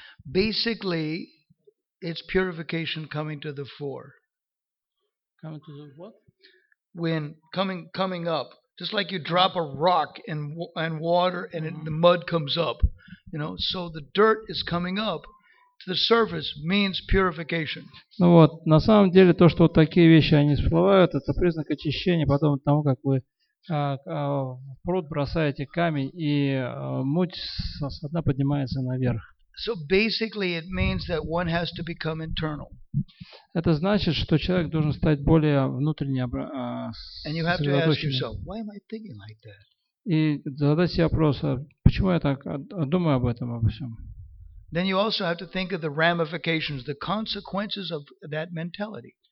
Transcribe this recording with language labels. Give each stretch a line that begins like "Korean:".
English: Basically, it's purification coming to the fore. Coming to the what? When coming up, just like you drop a rock in water and the mud comes up. You know, so the dirt is coming up to the surface means purification.
Russian: Ну вот, на самом деле то, что вот такие вещи они всплывают, это признак очищения. Потом того, как вы в пруд бросаете камень и муть со дна поднимается наверх.
English: So basically, it means that one has to become internal.
Russian: Это значит, что человек должен стать более внутренне сосредоточенным.
English: And you have to ask yourself, why am I thinking like that?
Russian: И задать себе вопрос, почему я так думаю об этом, обо всем.
English: Then you also have to think of the ramifications, the consequences of that mentality.